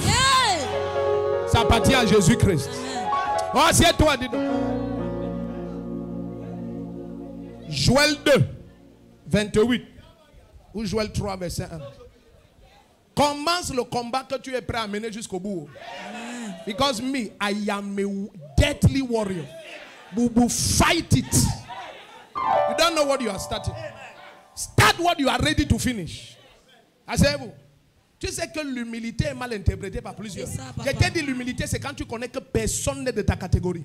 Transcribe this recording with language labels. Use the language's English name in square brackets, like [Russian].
[English] Yeah. [French] Ça appartient à Jésus-Christ. Amen. Oh, assieds-toi, dis-donc. Joël 2, 28. Ou Joël 3, verset 1. Commence le combat que tu es prêt à mener jusqu'au bout. Amen. [English] Because me, I am a deadly warrior. We will fight it. You don't know what you are starting. Start what you are ready to finish. [French] Asseyez-vous. Tu sais que l'humilité est mal interprétée par plusieurs. Ça, je t'ai dit l'humilité, c'est quand tu connais que personne n'est de ta catégorie.